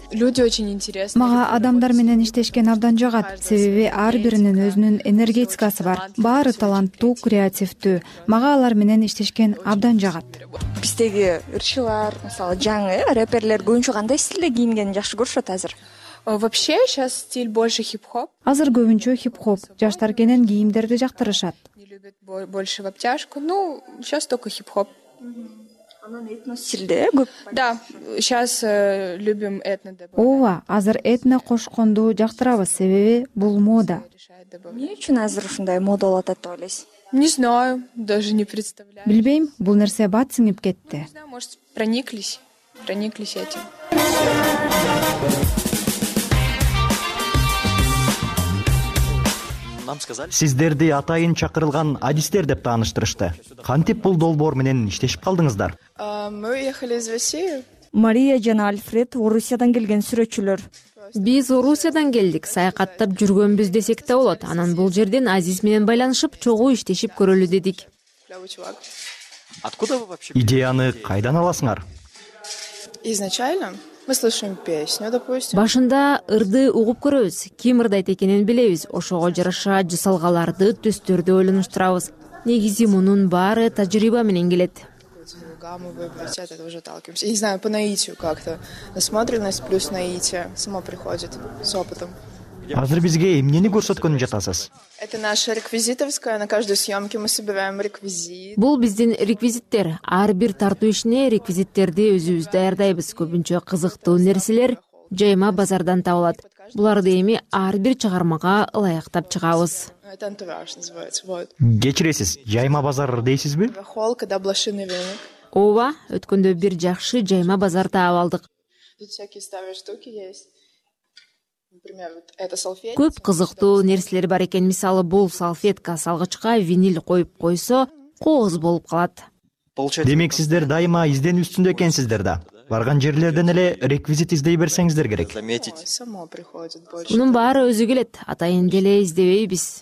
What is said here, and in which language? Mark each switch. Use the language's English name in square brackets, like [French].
[Russian] Люди очень интересны. [Kyrgyz] Мага адамдар менен иштешкен абдан жагат. Себеби ар биринин өзүнүн энергетикасы бар. Баары таланттуу, креативдүү. Мага алар менен иштешкен абдан жагат. Биздеги ырчылар, мисалы жаңы рэперлер көбүнчө кандай стилде кийингенин жакшы көрүшөт азыр? [Russian] Вообще сейчас стиль больше хип-хоп. [Kyrgyz] Азыр көбүнчө хип-хоп. Жаштар кенен кийимдерди жактырышат. [Russian] Не любят больше в обтяжку. Ну, сейчас только хип-хоп. [Kyrgyz] Анан этно стилде көп. [Russian] Да, сейчас любим этно добавлять. [Kyrgyz] Ооба, азыр этно кошконду жактырабыз, себеби бул мода. Эмне үчүн азыр ушундай мода болуп атат деп ойлойсуз? [Russian] Не знаю, даже не представляю. [Kyrgyz] Билбейм, бул нерсе бат сиңип кетти. [Russian] Может, прониклись этим. [Kyrgyz] Сиздерди атайын чакырылган адистер деп тааныштырышты. Кантип бул долбоор менен иштешип калдыңыздар? [Russian] Мы уехали из России. [Kyrgyz] Мария жана Альфред Орусиядан келген сүрөтчүлөр. Биз Орусиядан келдик, саякаттап жүргөнбүз десек да болот. Анан бул жерден Азиз менен байланышып, чогуу иштешип көрөлү дедик. [Russian] Откуда вы вообще? [Kyrgyz] Идеяны кайдан аласыңар? [Russian] Изначально мы слышим песню, допустим. [Kyrgyz] Башында ырды угуп көрөбүз. Ким ырдайт экенин билебиз. Ошого жараша жасалгаларды, түстөрдү ойлонуштурабыз. Негизи мунун баары тажрыйба менен келет. [Russian] Гамму выбрать, от этого уже отталкиваемся. Я не знаю, по наитию как-то. Насмотренность плюс наитие само приходит с опытом. [Kyrgyz] Азыр бизге эмнени көрсөткөнү жатасыз? [Russian] Это наша реквизитовская, на каждой съемке мы собираем реквизит. [Kyrgyz] Бул биздин реквизиттер. Ар бир тартуу ишине реквизиттерди өзүбүз даярдайбыз. Көбүнчө кызыктуу нерселер жайма базардан табылат. Буларды эми ар бир чыгармага ылайыктап чыгабыз. [Russian] Это антураж называется. [Kyrgyz] Кечиресиз, жайма базар дейсизби? [Russian] Холка да блошиный рынок. [Kyrgyz] Ооба, өткөндө бир жакшы жайма базар таап алдык. [Russian] Тут всякие старые штуки есть. Например, это салфетка. [Kyrgyz] Көп кызыктуу нерселер бар экен. Мисалы, бул салфетка салгычка винил коюп койсо, кооз болуп калат. Демек, сиздер дайыма изден үстүндө экенсиздер да. Барган жерлерден эле реквизит издей берсеңиздер керек. Мунун баары өзү келет. Атайын деле издебейбиз.